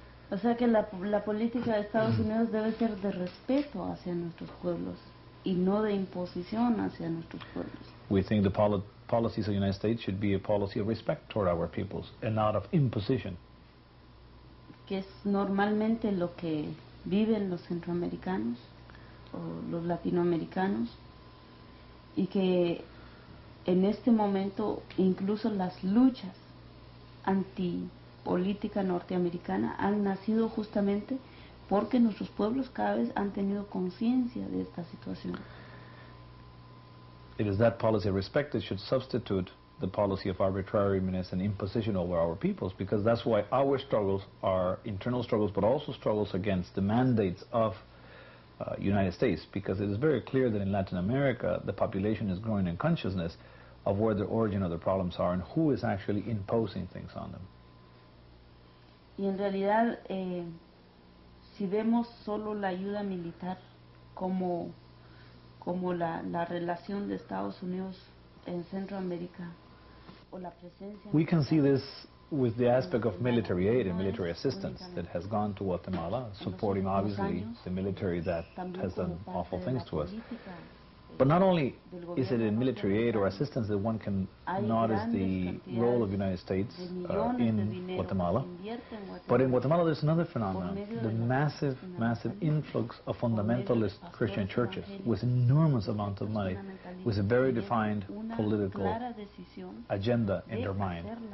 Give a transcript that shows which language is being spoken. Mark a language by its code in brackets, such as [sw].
[es] O sea que la política de Estados Unidos debe ser de respeto hacia nuestros pueblos y no de imposición hacia nuestros pueblos. [en] We think the policies of the United States should be a policy of respect toward our peoples and not of imposition. [es] Que es normalmente lo que viven los centroamericanos. o los latinoamericanos, y que en este momento incluso las luchas antipolítica norteamericana han nacido justamente porque nuestros pueblos cada vez han tenido conciencia de esta situación. [en] It is that policy of respect that should substitute the policy of arbitrariness and imposition over our peoples, because that's why our struggles are internal struggles, but also struggles against the mandates of United States, because it is very clear that in Latin America the population is growing in consciousness of where the origin of the problems are and who is actually imposing things on them. [es] Y en realidad, si vemos solo la ayuda militar como la relación de Estados Unidos en Centroamérica o la presencia. [en] We can see this with the aspect of military aid and military assistance that has gone to Guatemala, supporting obviously the military that has done awful things to us. But not only is it in military aid or assistance that one can notice the role of the United States in Guatemala, but in Guatemala there's another phenomenon, the massive influx of fundamentalist Christian churches with enormous amount of money, with a very defined political agenda in their mind.